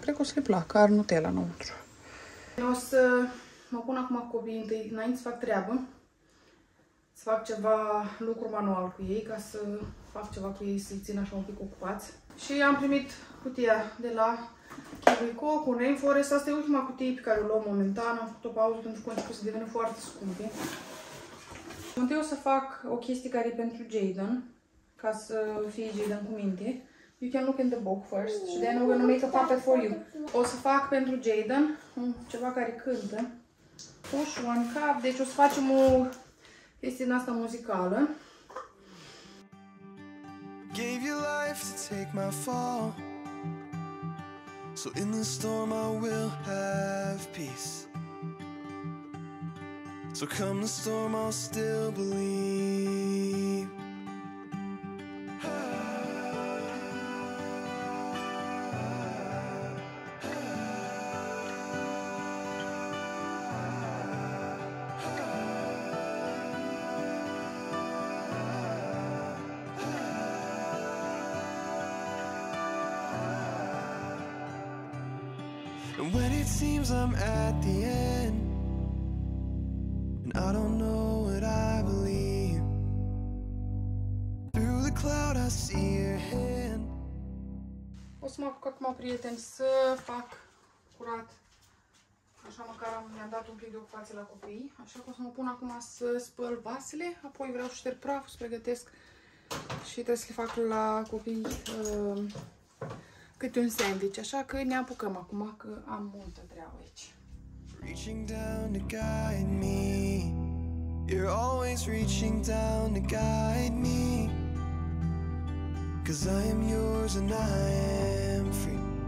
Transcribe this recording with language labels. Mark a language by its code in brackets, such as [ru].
[ro] Cred că o să le placă, ar Nutella înăuntru. O să mă pun acum cu copiii întâi, înainte să fac treabă, să fac ceva lucru manual cu ei, ca să fac ceva cu ei, să-i țin așa un pic ocupați. Și am primit cutia de la Kiwico cu Rainforest. Asta e ultima cutie pe care o luăm momentan. Am făcut o pauză pentru că a început să devină foarte scumpe. Întâi o să fac o chestie care e pentru Jaden, ca să fie Jaden cu minte. [en] You can look in the book first. Și then we're gonna make a puppet for you. [ro] O să fac pentru Jaden ceva care cântă. [en] Push one cup. [ro] Deci o să facem o chestie din asta muzicală. [en] Gave you life to take my fall. So in the storm I will have peace. So come the storm I'll still believe. Seems I'm at the end, and I don't know what I believe. Through the cloud I see your hand. [ro] O să mă apuc acum, prieteni, să fac curat. Așa măcar mi-am dat un pic de ocupație la copii. Așa că o să mă pun acum să spăl vasele, apoi vreau să șterg praful, să pregătesc și trebuie să le fac la copii câte un sandwich, așa că ne apucăm acum că am multă treabă aici. [en] Reaching down to guide me. You're always reaching down to guide me. Cause I am yours and I am free.